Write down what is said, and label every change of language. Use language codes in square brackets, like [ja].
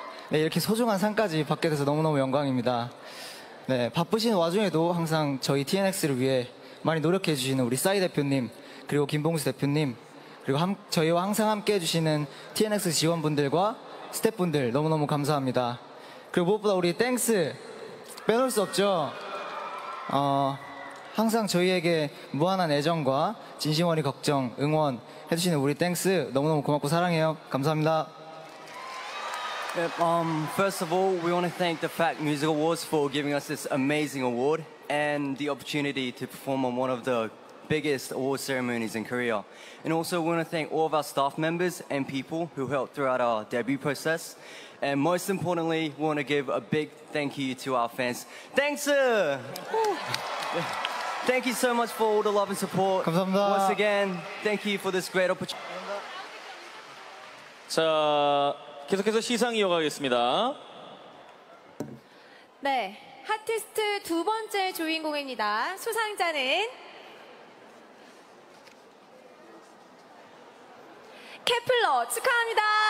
[ko] 이렇게 소중한 상까지 받게 돼서 너무너무 영광입니다. 네, 바쁘신 와중에도 항상 저희 TNX를 위해 많이 노력해 주시는 우리 싸이 대표님, 그리고 김봉수 대표님, 그리고 저희와 항상 함께해 주시는 TNX 직원분들과 스태프분들 너무너무 감사합니다. 그리고 무엇보다 우리 땡스 빼놓을 수 없죠. 항상 저희에게 무한한 애정과 진심어린 걱정, 응원 해주시는 우리 땡스 너무너무 고맙고 사랑해요. 감사합니다. [en] Yep, first of all, we want to thank the FACT Music Awards for giving us this amazing award and the opportunity to perform on one of the biggest award ceremonies in Korea. And also, we want to thank all of our staff members and people who helped throughout our debut process. And most importantly, we want to give a big thank you to our fans. Thanks, sir! Thank you so much for all the love and support. [ko] 감사합니다. [en] Once again, thank you for this great opportunity. [ko] 자, 계속해서 시상 이어가겠습니다. 네, 핫티스트 두 번째 주인공입니다. 수상자는 케플러 축하합니다.